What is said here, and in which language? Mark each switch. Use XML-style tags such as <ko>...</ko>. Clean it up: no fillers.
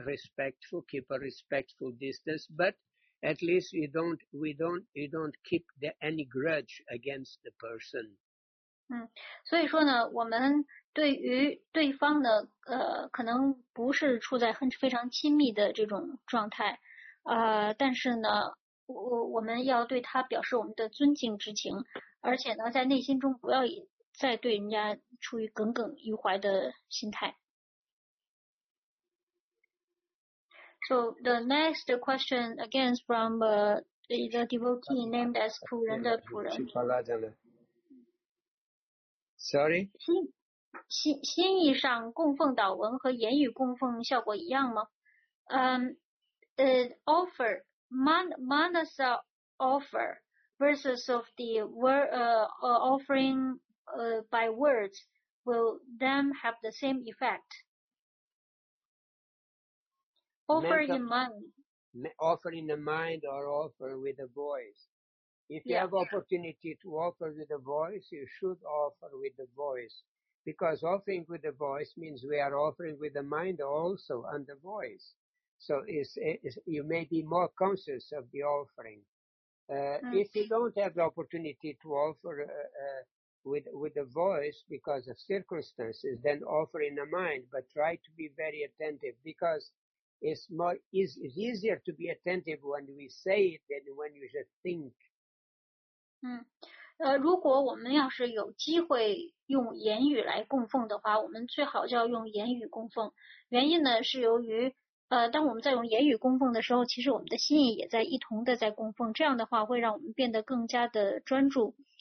<en>Respectful, keep a respectful distance, but at least we don't keep any grudge against the person.</en> <zh>所以说呢，我们对于对方呢，可能不是处在很非常亲密的这种状态，但是呢，我们要对他表示我们的尊敬之情，而且呢，在内心中不要再对人家处于耿耿于怀的心态。</zh> <en>So the next question again is from the devotee named as Puran the Puran. Sorry?</en> <zh>心意上供奉祷文和言语供奉效果一样吗？</zh> <en>Offer, manasa offer versus of the word, offering by words, will them have the same effect? Offer in mind. Offer in the mind or offer with the voice. If you have opportunity to offer with the voice, you should offer with the voice. Because offering with the voice means we are offering with the mind also and the voice. So it's, you may be more conscious of the offering. If you don't have the opportunity to offer with the voice because of circumstances, then offer in the mind. But try to be very attentive because it's easier to be attentive when we say it than when you just think.</en> <zh>如果我们要是有机会用言语来供奉的话，我们最好就要用言语供奉。原因呢，是由于当我们在用言语供奉的时候，其实我们的心意也在一同的在供奉。这样的话，会让我们变得更加的专注。</zh>